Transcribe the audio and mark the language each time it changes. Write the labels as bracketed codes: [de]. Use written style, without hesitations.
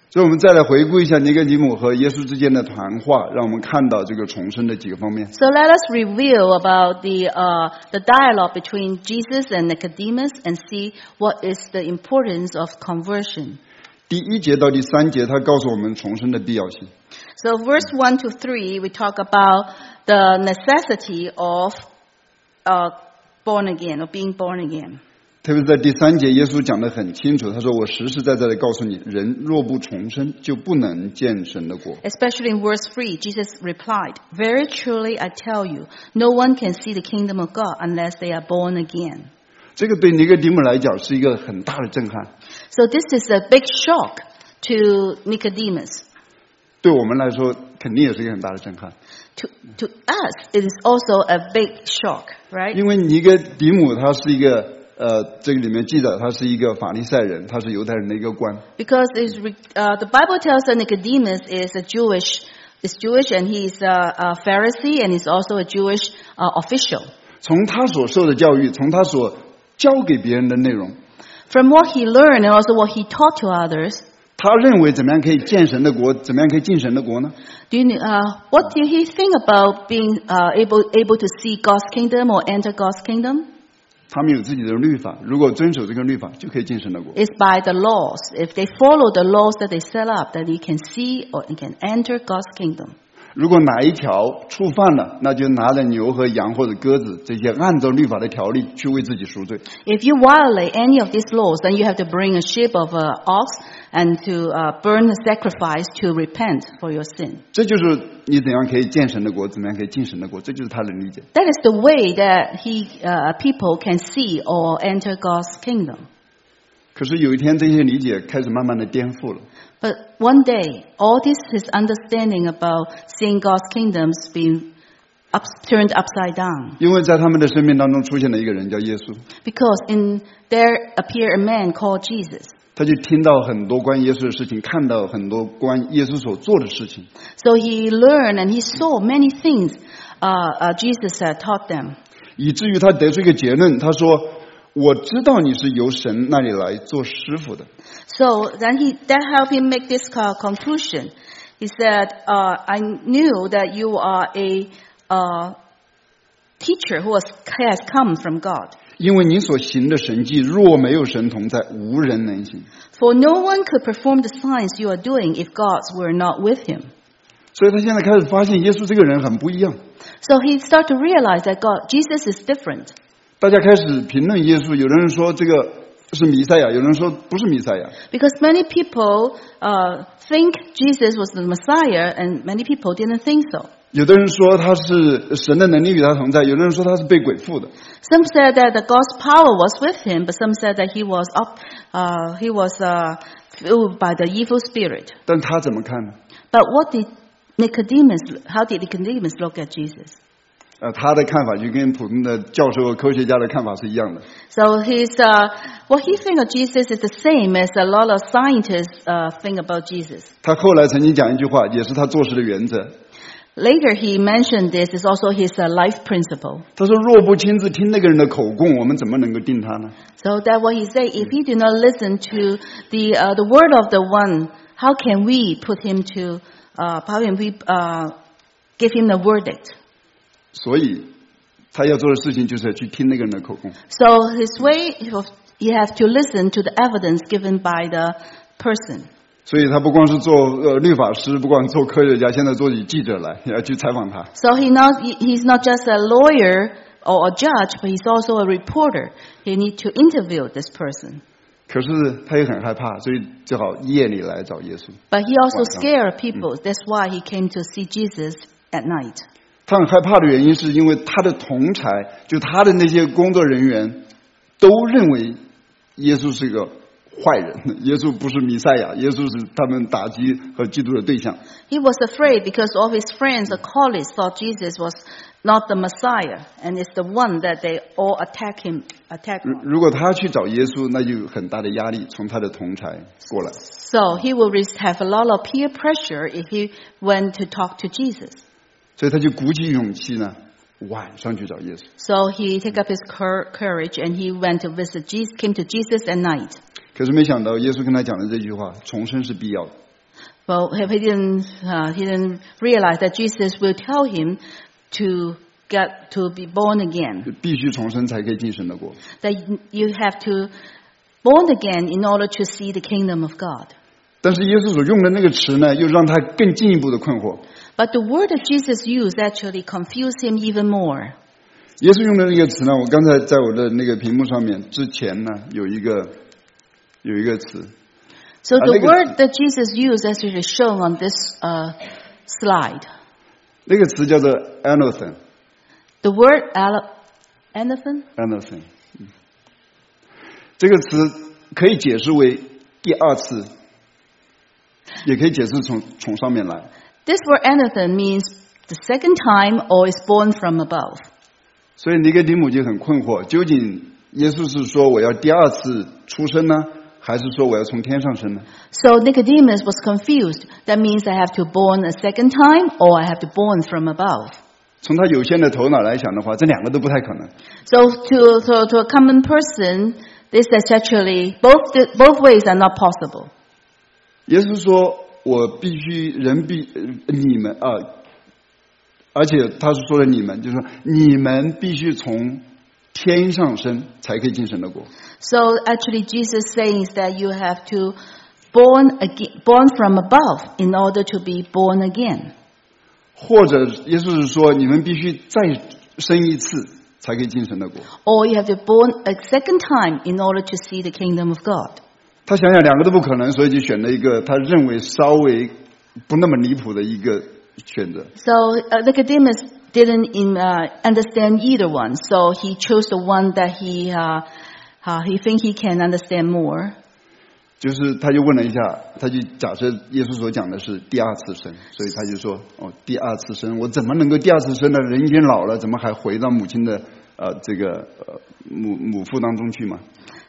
[zh] 所以我们再来回顾一下尼哥底母和耶稣之间的谈话，让我们看到这个重生的几个方面。 [en] So let us review about the dialogue between Jesus and Nicodemus and see what is the importance of conversion. [zh] 第一节到第三节，他告诉我们重生的必要性。 [en] So verse 1 to 3, we talk about the necessity of born again or being born again. [zh] 特别在第三节，耶稣讲得很清楚，他说：“我实实在在的告诉你，人若不重生，就不能见神的国。” [en] Especially in verse 3, Jesus replied, "Very truly I tell you, no one can see the kingdom of God unless they are born again." [zh] 这个对尼哥底母来讲是一个很大的震撼。 [en] So this is a big shock to Nicodemus. [zh] 对我们来说，肯定也是一个很大的震撼。 [en] To us, it is also a big shock, right? [zh] 因为尼哥底母他是一个这个里面记载他是一个法利赛人，他是犹太人的一个官。 [en] Because the Bible tells us Nicodemus is Jewish and he is a Pharisee and he's also a Jewish official. [zh] 从他所受的教育，从他所教给别人的内容。 [en] From what he learned and also what he taught to others. [zh] 他认为怎么样可以见神的国，怎么样可以进神的国呢 [en] ？What do he think about being able to see God's kingdom or enter God's kingdom? [zh] 他们有自己的律法，如果遵守这个律法，就可以进神的国。 [en] It's by the laws. If they follow the laws that they set up, that you can see or you can enter God's kingdom. [zh] 如果哪一条触犯了，那就拿着牛和羊或者鸽子这些按照律法的条例去为自己赎罪。 [en] If you violate any of these laws, then you have to bring a sheep of an ox and to burn a sacrifice to repent for your sin. [zh] 这就是你怎样可以见神的国，怎么样可以进神的国，这就是他的理解。 [en] That is the way that he people can see or enter God's kingdom. [zh] 可是有一天，这些理解开始慢慢的颠覆了。 [en] But one day, all this his understanding about seeing God's kingdoms being turned upside down. [zh] 因为在他们的生命当中出现了一个人叫耶稣。 [en] Because in there appeared a man called Jesus. [zh] 他就听到很多关于耶稣的事情，看到很多关于耶稣所做的事情。 [en] So he learned and he saw many things, Jesus had taught them. [zh] 以至于他得出一个结论，他说。我知道你是由神那里来做师傅的。 [en] So then that helped him make this conclusion. He said, I knew that you are a teacher who has come from God. [zh] 因为你所行的神迹若没有神同在，无人能行。 [en] For no one could perform the signs you are doing if God were not with him. [zh] 所以他现在开始发现耶稣这个人很不一样。 [en] So he started to realize that Jesus is different. [zh] 大家开始评论耶稣，有人说这个是弥赛亚，有人说不是弥赛亚。 [en] Because many people think Jesus was the Messiah, and many people didn't think so. [zh] 有的人说他是神的能力与他同在，有的人说他是被鬼附的。 [en] Some said that the God's power was with him, but some said that he was filled by the evil spirit. [zh] 但他怎么看呢 [en] ？But what did Nicodemus? How did Nicodemus look at Jesus? [zh] 他的看法就跟普通的教授和科学家的看法是一样的。 [en] So he's what he thinks of Jesus is the same as a lot of scientists think about Jesus. [zh] 他后来曾经讲一句话，也是他做事的原则。 [en] Later he mentioned this is also his life principle. [zh] 他说：“若不亲自听那个人的口供，我们怎么能够定他呢 [en] ？”So that what he say, if he do not listen to the word of the one, how can we put him to how can we give him the verdict? [zh] 所以他要做的事情就是去听那个人的口供。 [en] So his way of You have to listen to the evidence given by the person. [zh] 所以他不光是做律法师，不光做科学家，现在做以记者来要去采访他。 [en] So he's not just a lawyer or a judge, but he's also a reporter. He need to interview this person. [zh] 可是他也很害怕，所以只好夜里来找耶稣。 [en] But he also scared people. That's why he came to see Jesus at night. [zh] 他很害怕的原因是因为他的同侪，就他的那些工作人员，都认为耶稣是一个。坏人，耶稣不是弥赛亚，耶稣是他们打击和嫉妒的对象。 [en] He was afraid because all his friends, the colleagues, thought Jesus was not the Messiah, and it's the one that they all attack him. Attack. [zh] 如果他去找耶稣，那就有很大的压力从他的同侪过来。 [en] So he will have a lot of peer pressure if he went to talk to Jesus. [zh] 所以他就鼓起勇气呢，晚上去找耶稣。 [en] So he took up his courage and he went to visit Jesus, came to Jesus at night. [zh] 可是没想到耶稣跟他讲的这句话，重生是必要的。 [en] Well, he didn't realize that Jesus will tell him to be born again. [zh] 必须重生才可以进神的国。 [en] That you have to born again in order to see the kingdom of God. [zh] 但是耶稣所用的那个词呢，又让他更进一步的困惑。 [en] But the word that Jesus used actually confused him even more. [zh] 耶稣用的那个词呢，我刚才在我的那个屏幕上面之前呢，有一个词。 [en] So the word that Jesus used as it is shown on this slide. [zh] 那个词叫做 anathen. [en] The word anathen? Anathen. [zh] 这个词可以解释为第二次，也可以解释从上面来。 [en] This word anathen means the second time or is born from above. [zh] 所以尼哥底母就很困惑，究竟耶稣是说我要第二次出生呢？还是说我要从天上生呢？ [en] So Nicodemus was confused. That means I have to born a second time or I have to born from above. [zh] 从他有限的头脑来想的话，这两个都不太可能。 [en] So to a common person, this is actually both ways are not possible. [zh] 耶稣说我必须人必你们啊，而且他是说的你们，就是说你们必须从天上生才可以进神的国。 [en] So actually Jesus saying is that you have to born from above in order to be born again. [zh] 或者耶稣是说你们必须再生一次才可以进神的国。 [en] Or you have to born a second time in order to see the kingdom of God. [zh] 他想想两个都不可能，所以就选了一个他认为稍微不那么离谱的一个选择。 [en] So Nicodemus didn't understand either one, so he chose the one that he think he can understand more. [zh] 就是他就问了一下，他就假设耶稣所讲的是第二次生，所以他就说：“哦，第二次生，我怎么能够第二次生呢？人已经老了，怎么还回到母亲的母腹当中去嘛？”